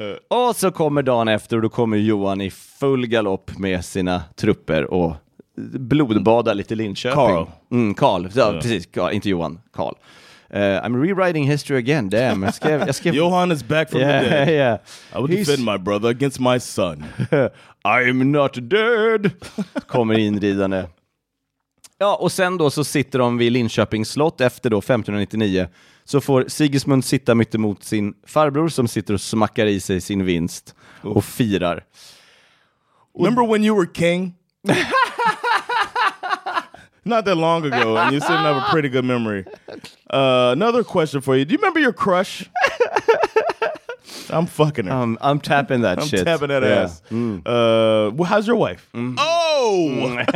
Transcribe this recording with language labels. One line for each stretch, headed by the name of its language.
Swedish: Och så kommer dagen efter och då kommer Johan i full galopp med sina trupper och blodbada lite Linköping. Carl. Carl. Ja, precis. Inte Johan. Carl.
English: I'm rewriting history again.
Swedish: Damn. Jag skrev.
English: Johan is back from the dead. Yeah. I will defend my brother against my son. I'm not dead.
Swedish: Kommer inridande. Ja, och sen då så sitter de vid Linköpings slott efter då 1599. Så får Sigismund sitta mittemot sin farbror som sitter och smackar i sig sin vinst. Oh. Och firar.
English: Remember when you were king? Not that long ago, and you seem to have a pretty good memory. Another question for you. Do you remember your crush? I'm fucking her. I'm tapping that I'm shit. I'm tapping that ass. How's your wife? Mm. Oh!